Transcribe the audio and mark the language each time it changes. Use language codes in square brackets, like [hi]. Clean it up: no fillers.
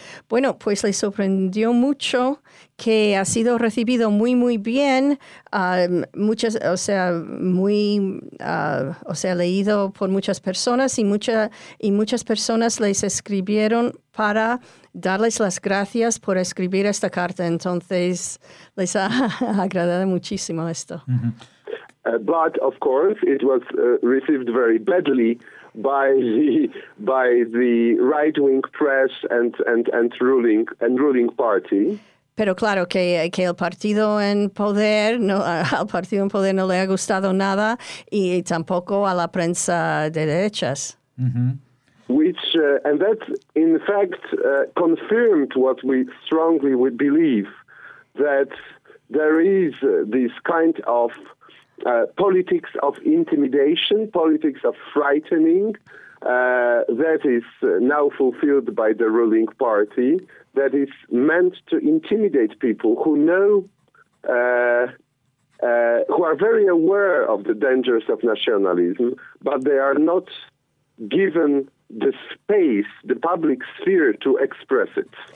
[es] Bueno, pues le sorprendió mucho que ha sido recibido muy, muy bien, leído por muchas personas y muchas personas les escribieron para darles las gracias por escribir esta carta. Entonces, les ha agradado muchísimo esto. Mm-hmm. [en] But, of course, it was received very badly by the right-wing press and ruling party. [es] Pero claro, que el partido en poder, no, al partido en poder no le ha gustado nada y tampoco a la prensa de derechas. Mm-hmm. [en] which and that in fact confirmed what we strongly would believe, that there is this kind of politics of intimidation, politics of frightening, that is now fulfilled by the ruling party, that is meant to intimidate people who know, who are very aware of the dangers of nationalism, but they are not given the space, the public sphere to express it.